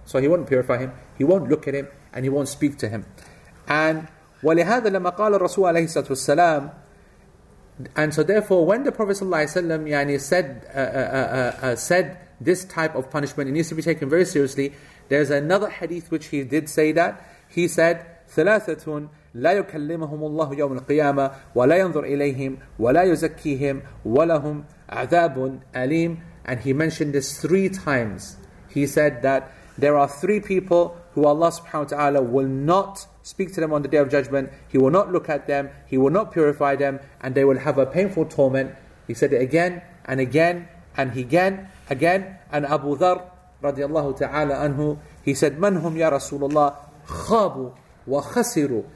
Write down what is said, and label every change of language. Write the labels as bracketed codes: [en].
[en] So he won't purify him, he won't look at him, and he won't speak to him. And [ar] ولهذا لما قال الرسول عليه الصلاة والسلام, [en] and so therefore, when the Prophet sallallahu alayhi wa sallam [ar] يعني [en] said this type of punishment, it needs to be taken very seriously. There's another hadith which he did say that. He said, [ar] ثلاثةٌ لا يكلمهم الله يوم القيامة ولا ينظر إليهم ولا يزكيهم ولهم عذاب أليم. [en] And he mentioned this three times. He said that there are three people who Allah subhanahu wa ta'ala will not speak to them on the Day of Judgment. He will not look at them, he will not purify them, and they will have a painful torment. He said it again and again and again. And Abu Dharr radiallahu ta'ala anhu, he said, [ar] "Man hum ya Rasulullah, khabu wa khasiru."